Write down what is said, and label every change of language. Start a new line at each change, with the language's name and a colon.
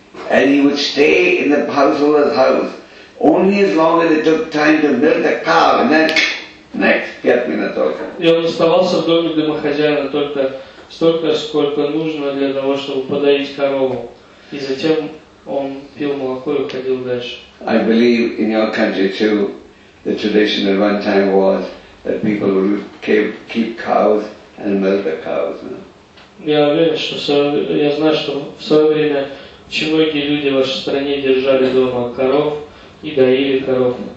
English: And he would stay in the householder's house only as long as it took time to milk the cow, and then next, get me the token.
Russian: И он оставался в доме домохозяина только столько, сколько нужно для того, чтобы подоить корову, и затем он пил молоко и уходил дальше.
English: I believe in your country too, the tradition at one time was that people would keep cows and milk the cows.
Russian: Я знаю, что в свое время чуваки люди в вашей стране держали дома коров и доили коров.